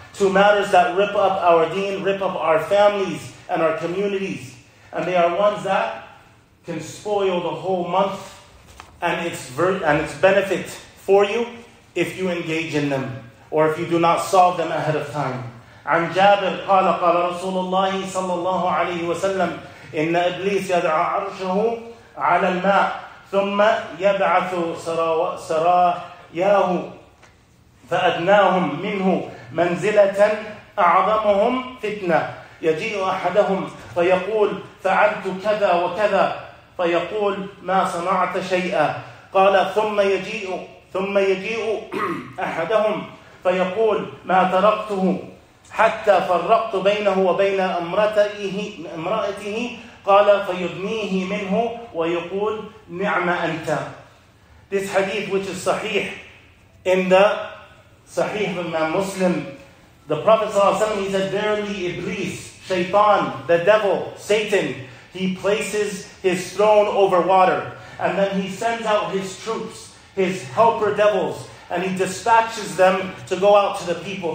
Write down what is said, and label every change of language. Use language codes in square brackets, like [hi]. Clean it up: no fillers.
[en] Two matters that rip up our deen, rip up our families and our communities. And they are ones that can spoil the whole month and its benefit for you if you engage in them or if you do not solve them ahead of time. [ar] عن جابر قال قال رسول الله صلى الله عليه وسلم إن إبليس يدعى عرشه على الماء ثم يبعث سراياه فأدناهم منه منزلة أعظمهم فتنة يجيء أحدهم فيقول فعلت كذا وكذا فيقول ما صنعت شيئا قال ثم يجيء أحدهم فيقول ما تركته حتى فرقت بينه وبين امرأته قال فيدنيه منه ويقول نعم أنت. [en] This hadith, which is sahih in the sahih of Imam Muslim, the Prophet [ar] صلى الله عليه وسلم, [en] he said, verily Iblis, Shaytan, the devil, Satan, he places his throne over water, and then he sends out his troops, his helper devils, and he dispatches them to go out to the people.